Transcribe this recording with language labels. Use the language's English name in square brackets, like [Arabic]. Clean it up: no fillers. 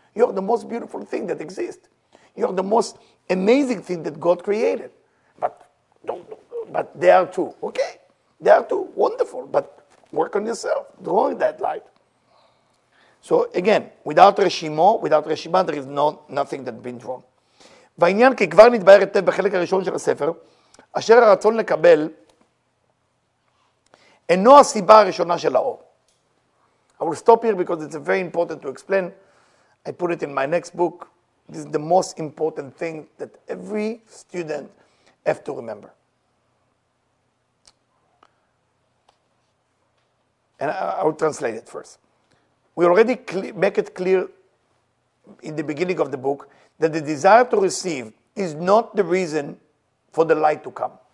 [English] You're the most beautiful thing that exists. You're the most amazing thing that God created. But they are too. Okay. They are too. Wonderful. But work on yourself. Draw that light. So again, without Reshimo, without Reshima, there is nothing that's been drawn. [Hebrew] והעניין כי כבר נתבהר את זה בחלק הראשון של הספר, אשר הרצון לקבל אינו הסיבה הראשונה של האור. [English] I will stop here because it's very important to explain. I put it in my next book. This is the most important thing that every student have to remember. And I will translate it first. We already make it clear in the beginning of the book that the desire to receive is not the reason for the light to come.